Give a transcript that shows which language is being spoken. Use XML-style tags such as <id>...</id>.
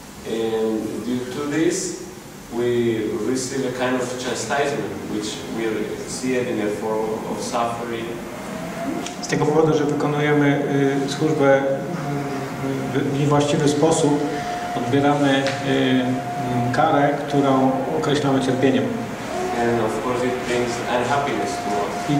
<en>and due to this we receive a kind of chastisement which we see it in a form of suffering.</en> <pl>Z tego powodu, że wykonujemy służbę w niewłaściwy sposób, odbieramy karę, którą określamy cierpieniem.</pl> <en>And of course it brings unhappiness to us.</en>